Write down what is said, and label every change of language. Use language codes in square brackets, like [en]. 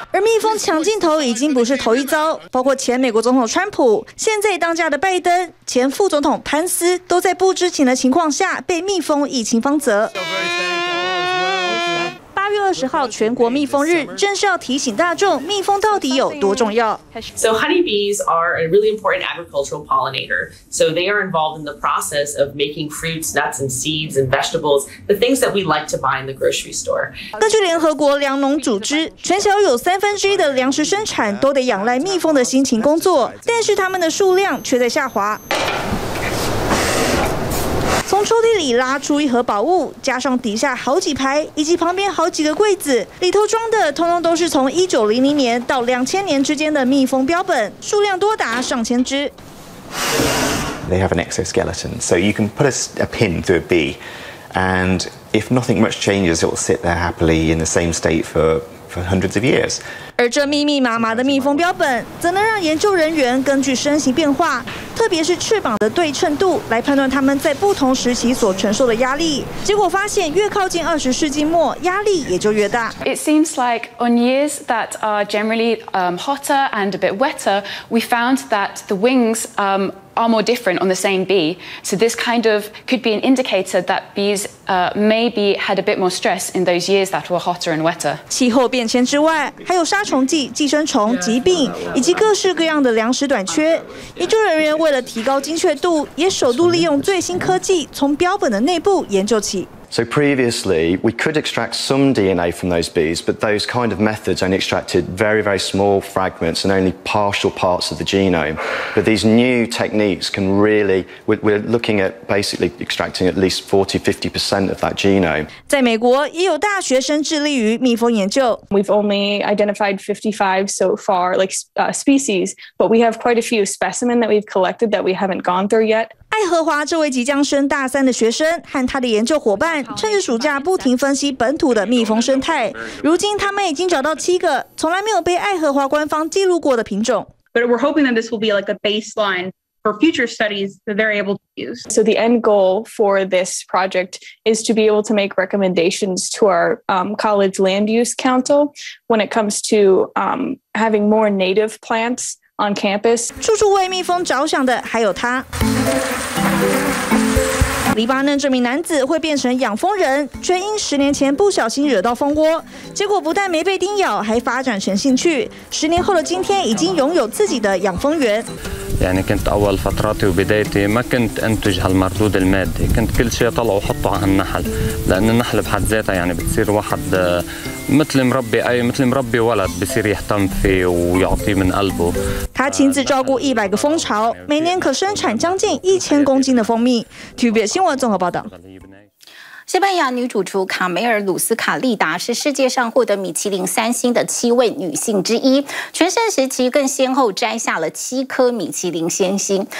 [zh] 而蜜蜂抢镜头已经不是头一遭，包括前美国总统川普、现在当家的拜登、前副总统潘斯，都在不知情的情况下被蜜蜂疫情方责。 8月20号全国蜜蜂日，正是要提醒大众蜜蜂到底有多重要。 [en] So honeybees are a really important agricultural pollinator. So they are involved in the process of making fruits, nuts, and seeds and vegetables, the things that we like to buy in the grocery store. [zh] 根据联合国粮农组织，全球有1/3的粮食生产都得仰赖蜜蜂的辛勤工作，但是它们的数量却在下滑。从抽屉里拉出一盒宝物，加上底下好几排以及旁边好几个柜子，里头装的通通都是从1900年到2000年之间的蜜蜂标本，数量多达上千只。 [en] They have an exoskeleton, so you can put a pin through a bee, and if nothing much changes, it will sit there happily in the same state for hundreds of years. [zh] 而这密密麻麻的蜜蜂标本，则能让研究人员根据身形变化，特别是翅膀的对称度，来判断它们在不同时期所承受的压力。结果发现，越靠近20世纪末，压力也就越大。 [en] It seems like on years that are generally hotter and a bit wetter, we found that the wings are more different on the same bee. So this kind of could be an indicator that bees maybe had a bit more stress in those years that were hotter and wetter. [zh] 气候变迁之外，还有杀虫剂、寄生虫、疾病，以及各式各样的粮食短缺。研究人员为了提高精确度，也首度利用最新科技，从标本的内部研究起。 [en] So previously, we could extract some DNA from those bees, but those kind of methods only extracted very, very small fragments and only partial parts of the genome. But these new techniques can really, we're looking at basically extracting at least 40-50% of that genome. [zh] 在美国也有大学生致力于蜜蜂研究。 [en] We've only identified 55 so far, like species, but we have quite a few specimen that we've collected that we haven't gone through yet. [zh] 爱荷华这位即将升大三的学生和他的研究伙伴，趁着暑假不停分析本土的蜜蜂生态。如今，他们已经找到7个从来没有被爱荷华官方记录过的品种。 [en] But we're hoping that this will be like a baseline for future studies that they're able to use. So the end goal for this project is to be able to make recommendations to our college land use council when it comes to having more native plants. On campus, [zh] 处处为蜜蜂着想的还有他。黎巴嫩这名男子会变成养蜂人，却因10年前不小心惹到蜂窝，结果不但没被叮咬，还发展成兴趣。 10年后的今天，已经拥有自己的养蜂园。 [ar] يعني كنت أول فتراتي وبدايتي ما كنت أنتج هالمردود المادي كنت كل شيء أطلعه وحطه على النحل لأن النحل بحد ذاتها يعني بتصير واحد مثل مربي أي مثل مربي ولد بصير يهتم فيه ويعطيه من قلبه. [zh] 他亲自照顾100个蜂巢，每年可生产将近1000公斤的蜂蜜。 TVBS 新闻综合报道。西班牙女主厨卡梅尔·鲁斯卡利达是世界上获得米其林3星的7位女性之一，全盛时期更先后摘下了7颗米其林先星。